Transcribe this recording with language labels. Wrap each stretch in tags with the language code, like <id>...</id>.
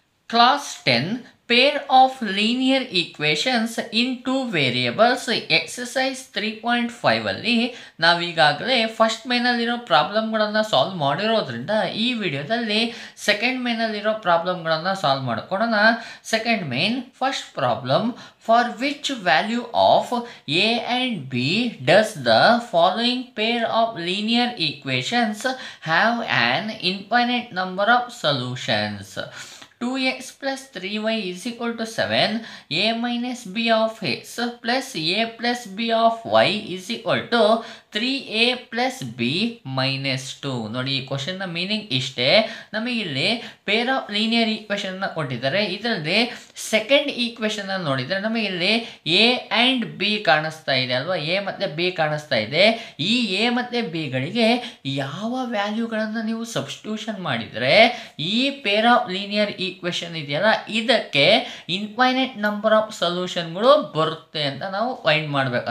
<en>Class 10, pair of linear equations in two variables, exercise 3.5</en> <kn>ಅಲ್ಲಿ ನಾವೀಗಾಗಲೇ first ಮೇನಲ್ಲಿರೋ ಪ್ರಾಬ್ಲಮ್ಗಳನ್ನು solve ಮಾಡಿರೋದ್ರಿಂದ ಈ ವಿಡಿಯೋದಲ್ಲಿ ಸೆಕೆಂಡ್ ಮೇನಲ್ಲಿರೋ ಪ್ರಾಬ್ಲಮ್ಗಳನ್ನು ಸಾಲ್ವ್ ಮಾಡ್ಕೊಳ್ಳೋಣ.</kn> <en>Second main, first problem, for which value of a and b does the following pair of linear equations have an infinite number of solutions. 2x plus 3y is equal to 7, a minus b of x plus a plus b of y is equal to 3a plus b minus 2.</en> <kn>ನೋಡಿ, ಈ ಕ್ವಶನ್ನ meaning ಇಷ್ಟೇ. ನಮಗಿಲ್ಲಿ pair of linear ಈಕ್ವೇಷನ್ನ ಕೊಟ್ಟಿದ್ದಾರೆ. ಇದರಲ್ಲಿ second ಈಕ್ವೇಷನ್ನ ನೋಡಿದರೆ ನಮಗಿಲ್ಲಿ a and b ಕಾಣಿಸ್ತಾ ಇದೆ ಅಲ್ವಾ, a ಮತ್ತು b ಕಾಣಿಸ್ತಾ ಇದೆ. ಈ a ಮತ್ತು bಗಳಿಗೆ ಯಾವ ವ್ಯಾಲ್ಯೂಗಳನ್ನು ನೀವು ಸಬ್ಸ್ಟಿಟ್ಯೂಷನ್ ಮಾಡಿದರೆ ಈ ಪೇರ್ ಆಫ್ ಲೀನಿಯರ್ ಈಕ್ವೇಷನ್ ಇದೆಯಲ್ಲ, ಇದಕ್ಕೆ ಇನ್ಫೈನೈಟ್ ನಂಬರ್ ಆಫ್ ಸೊಲ್ಯೂಷನ್ಗಳು ಬರುತ್ತೆ ಅಂತ ನಾವು ಫೈಂಡ್ ಮಾಡಬೇಕು.</kn>